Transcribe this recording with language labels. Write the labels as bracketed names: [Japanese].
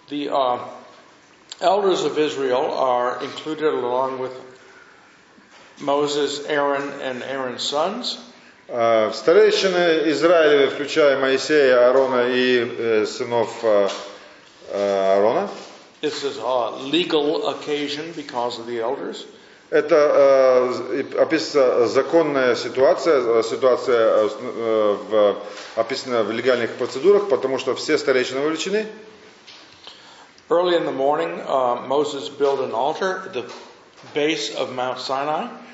[English] The elders of Israel are included along with Moses, Aaron, and Aaron's sons. [Russian] Старейшины Израиля, включая Моисея, Аарона и сынов Аарона. [English] This is a legal occasion because of the elders. [Russian] Это описывается законная ситуация, ситуация описана в легальных процедурах, потому что все старейшины вовлечены. [English] Early in the morning, Moses built an altar at the base of Mount Sinai.